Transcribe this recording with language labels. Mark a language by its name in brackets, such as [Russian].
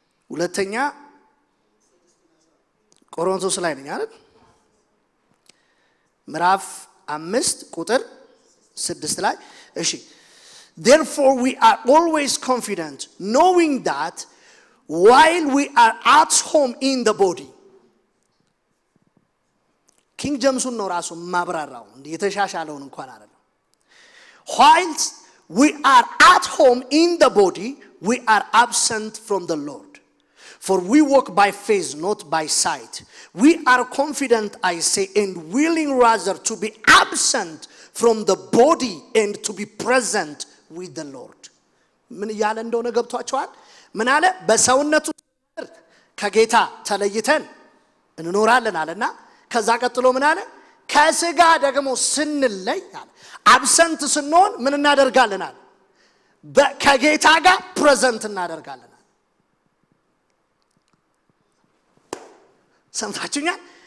[Amharic] ሁለተኛ ቆሮንቶስ ላይ ነኝ አይደል ምዕራፍ 5 ቁጥር 6 ላይ እሺ [English] Therefore we are always confident knowing that while we are at home in the body King James uno raso mabrarao ndi yeteshashalon inkwan arallo while We are at home in the body, we are absent from the Lord. For we walk by faith, not by sight. We are confident, I say, and willing rather to be absent from the body and to be present with the Lord. [Amharic] ምን ያለ እንደሆነ ገብቷችኋል? ምን አለ? በሰውነቱ ከጌታ ተለይተን እንኖራለን አለና ከዛ ቀጥሎ ምን አለ? ከስጋ ደግሞ ስንለይ አብሰንት ስንሆን ምን እናደርጋለን አለ? ከጌታ ጋር ፕሬዘንት እናደርጋለን አለ። ሰምታችሁኛል?